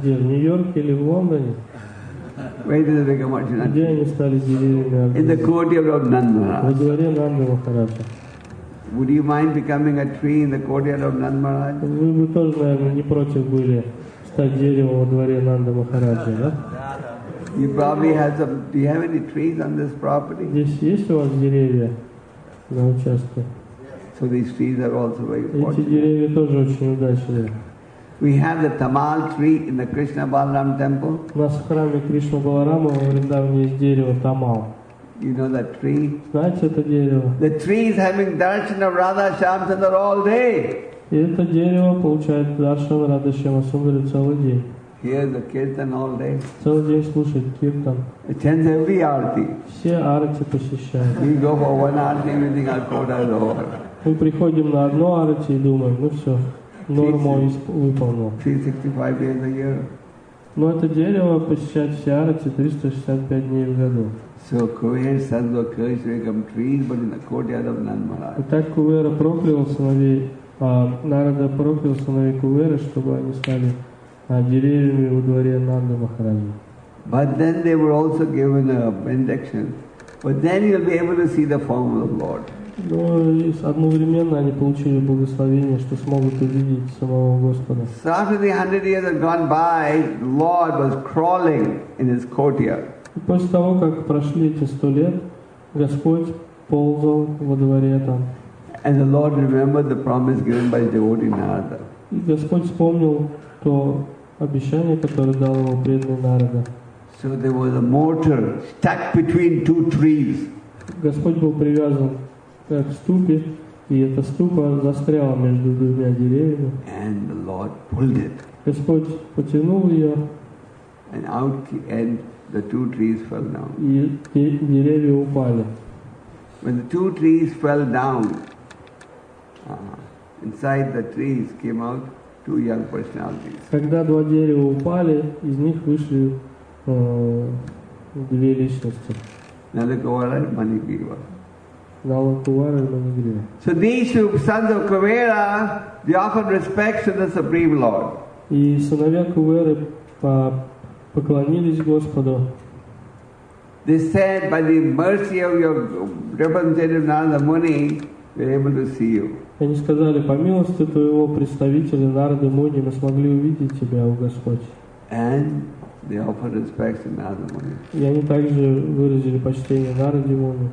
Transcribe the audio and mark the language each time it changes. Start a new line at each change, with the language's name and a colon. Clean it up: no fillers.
Russian: Где? В Нью-Йорке или в Лондоне?
English: Where did they become Arjuna?
Russian: Где они стали деревьями Арджуна?
English: In the courtyard of Nandmaharaj.
Russian: Во дворе Нанды Махараджа.
English: Would you mind becoming a tree in the courtyard of Nandmaharaj?
Russian: Вы бы тоже, наверное, не против были стать деревом во дворе Нанды Махараджа, да?
English: You probably have some. Do you have any trees on this property?
Russian: Здесь есть у вас деревья на участке?
English: So these trees are also very fortunate.
Russian: Эти деревья тоже очень удачные.
English: We have the tamal tree in the Krishna Balaram temple.
Russian: У нас в храме Кришна Баларама во Вриндаване есть дерево тамал.
English: You know that tree?
Russian: Знаете это дерево?
English: The tree is having darshan of Radha Shyamsundar all day.
Russian: И это дерево получает даршан Радха Шьямасундара целый день.
English: hear the kirtan all day.
Russian: Целый день слушает киртан.
English: Attends every arti.
Russian: Все арти посещает.
English: We go for one arti, we think our quota is over.
Russian: Мы приходим на одну арти и думаем, ну все, норму выполнил.
English: 365 days a year.
Russian: Но это дерево посещает все арти 365 дней в году.
English: So Kuvera says, "Look, Krishna become trees, but in the courtyard of Nand Maharaj."
Russian: Так Кувера проклял сыновей, Нарада проклял сыновей Кувера, чтобы они стали деревьями во дворе Нанда Махараджа.
English: But then they were also given a benediction. But then you'll be able to see the form of the Lord.
Russian: Но одновременно они получили благословение, что смогут увидеть самого Господа.
English: So after the 100 years had gone by, the Lord was crawling in his courtyard.
Russian: И после того, как прошли эти 100 лет, Господь ползал во дворе там.
English: And the Lord remembered the promise given by devotee Narada.
Russian: И Господь вспомнил то обещание, которое дал ему преданный Нарада.
English: So there was a mortar stuck between two trees.
Russian: Господь был привязан к ступе, и эта ступа застряла между двумя деревьями.
English: And the Lord pulled it.
Russian: Господь потянул ее.
English: The two trees fell down.
Russian: И деревья упали.
English: When the two trees fell down, inside the trees came out two young personalities.
Russian: Когда два дерева упали, из них вышли две личности.
English: Nalakuvara and Manigriva. Nalakuvara and Manigriva. So these two sons of Kuvera, they offered respects to the Supreme Lord.
Russian: И сыновья Кувера поклонились Господу.
English: They said, "By the mercy of your representative Narada Muni, we're able to see you."
Russian: Они сказали, по милости твоего представителя Нарады Муни мы смогли увидеть тебя, о Господь.
English: And they offered respects to Narada Muni.
Russian: И они также выразили почтение Нараде Муни.